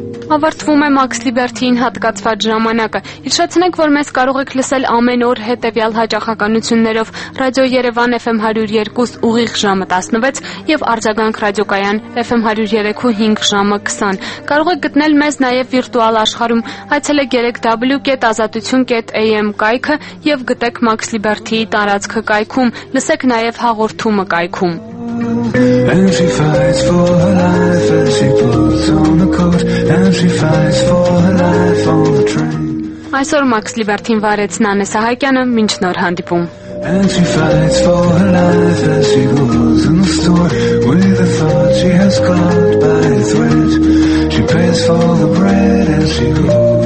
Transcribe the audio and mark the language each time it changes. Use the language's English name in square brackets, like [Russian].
[Armenian] Ավարտվում է Մաքս Լիբերտիին հատկացված ժամանակը։ Հիշեցնենք, որ մեզ կարող եք լսել ամեն օր հետևյալ հաճախականություններով՝ Ռադիո Երևան FM 102 ուղիղ ժամը 16 և Արձագանք Ռադիոկայան FM 103.5 ժամը 20։ Կարող եք գտնել մեզ նաև վիրտուալ աշխարհում, այցելեք www.azatutyun.am կայքը և գտեք Մաքս Լիբերտիի տարածքը կայքում, լսեք նաև հաղորդումը կայքում։ [English] And she fights for her life as she puts on the coat, and she fights for her life on the train. [Armenian] Այսօր Մաքս Լիբերտին վարեց Նանե Սահակյանը, մինչ նոր հանդիպում։ [English] And she fights for her life as she goes in the store, with the thought she has caught by a thread. She pays for the bread as she goes.